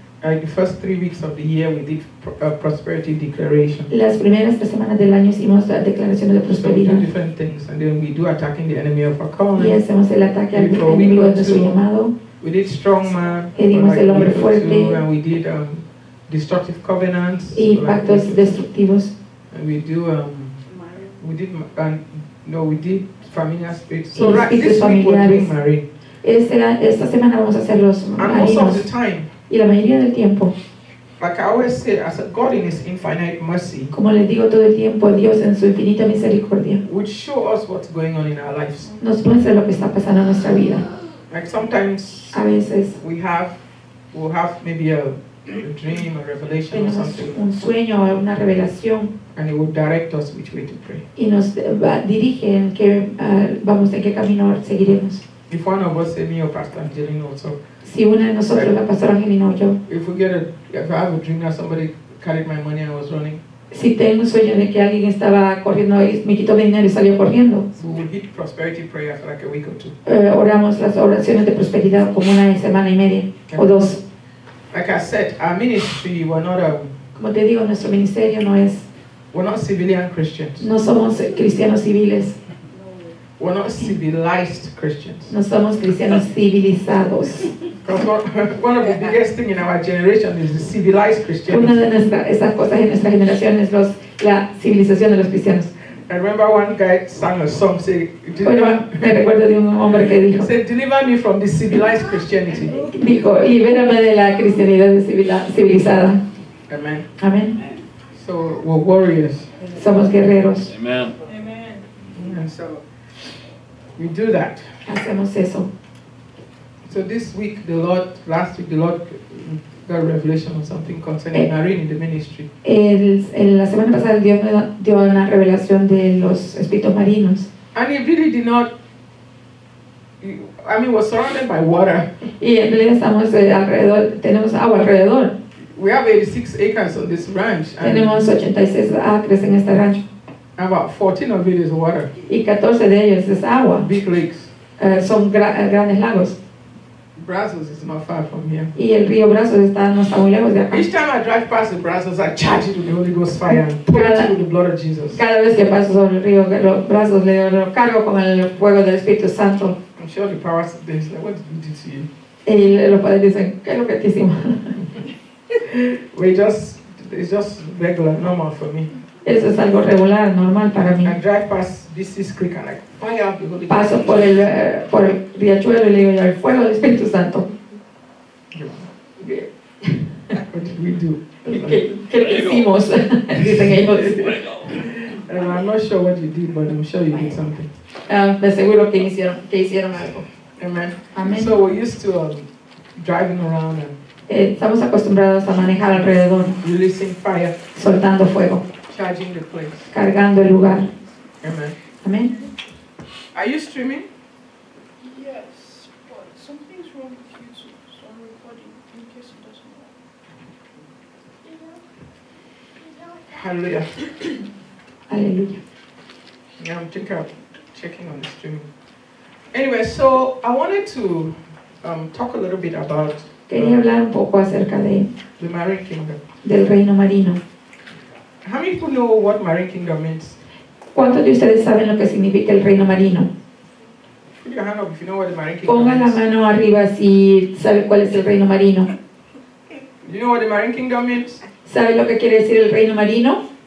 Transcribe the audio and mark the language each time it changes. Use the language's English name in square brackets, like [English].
[English] The first 3 weeks of the year we did prosperity declaration. [Spanish] Las primeras 3 semanas del año hicimos declaraciones de prosperidad. [English] So we do different things, and then we do attacking the enemy of our calling. [Spanish] Y hacemos el ataque al enemigo de su llamado. [English] We did strong man. [Spanish] Pedimos el hombre fuerte. [English] And we did destructive covenants. [Spanish] Y pactos destructivos. [English] And we do we did familiar spirits. So right, this week we're doing marine. [Spanish] Esta semana vamos a hacer los marinos. [English] And most of the time. [Spanish] Y la mayoría del tiempo. [English] Like I always say, as a God in His infinite mercy. [Spanish] Como les digo todo el tiempo, Dios en su infinita misericordia. [English] Would show us what's going on in our lives. [Spanish] Nos muestra lo que está pasando en nuestra vida. [English] Like sometimes. [Spanish] A veces. [English] We'll have maybe a dream, a revelation, or something. [Spanish] Un sueño o una revelación. [English] And it will direct us which way to pray. [Spanish] Y nos dirige en qué vamos, en qué camino seguiremos. [English] If one of us say me or Pastor Angelino, so. [Spanish] Si una de nosotros, la pastora Angelina o yo. [English] If we get if I have a dream that somebody carried my money and I was running. [Spanish] Si tengo un sueño de que alguien estaba corriendo y me quitó mi dinero y salió corriendo. [English] We will hit prosperity prayer for like a week or two. [Spanish] Oramos las oraciones de prosperidad como una semana y media o dos. [English] Like I said, our ministry we're not [Spanish] como te digo, nuestro ministerio no es. [English] We're not civilian Christians. [Spanish] No somos cristianos civiles. [English] We're not civilized Christians. [Spanish] No somos cristianos civilizados. [English] One of the biggest things in our generation is the civilized Christians. [Spanish] Una de esas cosas en nuestra generación es la civilización de los cristianos. [English] I remember one guy sang a song, said, deliver me from the civilized Christianity. [Spanish] Dijo, libérame de la cristianidad civilizada. [English] Amen. [Spanish] Amen. [English] So we're warriors. [Spanish] Somos guerreros. [English] Amen. And so we do that. [Spanish] Hacemos eso. [English] So this week, last week, the Lord got revelation on something concerning Marine in the ministry. [Spanish] La semana pasada Dios me dio una revelación de los espíritus marinos. [English] And he really did not. We're surrounded by water. [Spanish] Y en realidad estamos alrededor, tenemos agua alrededor. [English] We have 86 acres on this ranch. [Spanish] Tenemos 86 acres en este rancho. [English] About 14 of it is water. [Spanish] Y 14 de ellos es agua. [English] Big lakes. [Spanish] Son grandes lagos. [English] Brazos is not far from here. [Spanish] Y el río Brazos está no está muy lejos de acá. [English] Each time I drive past the Brazos, I charge it with the Holy Ghost fire and pour it through the blood of Jesus. [Spanish] Cada vez que paso sobre el río Brazos le lo cargo con el fuego del Espíritu Santo. [English] I'm sure the powers of this, like, what did we do to you? [Spanish] Y los padres dicen, ¿qué es lo que te hicimos? [English] It's just regular, normal for me. [Spanish] Eso es algo regular, normal para mí. [English] I drive past this creek and like, fire up the Holy Ghost. [Spanish] Paso por el riachuelo y le digo, el fuego del Espíritu Santo. [English] What did we do? [Spanish] ¿Qué hicimos? Dicen ellos. [English] I'm not sure what you did, but I'm sure you did something. [Spanish] Me aseguro que hicieron algo. [English] Amen. [Spanish] Amen. [English] So we're used to driving around and [Spanish] estamos acostumbrados a manejar alrededor, [English] releasing fire, [Spanish] soltando fuego, [English] charging the place, [Spanish] cargando el lugar. [English] Amen. [Spanish] Amen. [English] Are you streaming? Yes, but something's wrong with YouTube, so I'm recording in case it doesn't work. Hallelujah. Hallelujah. Yeah, I'm checking on the streaming. Anyway, so I wanted to talk a little bit about. [Spanish] Quería hablar un poco acerca de [English] the Marine Kingdom. [Spanish] Del reino marino. [English] How many people know what Marine Kingdom means? [Spanish] ¿Cuántos de ustedes saben lo que significa el reino marino? [English] Put your hand up if you know what the Marine Kingdom [Spanish] ponga [English] means. [Spanish] La mano arriba si sabe cuál es el reino marino. [English] You know what the Marine Kingdom means? [Spanish] ¿Sabe lo que quiere decir el reino marino?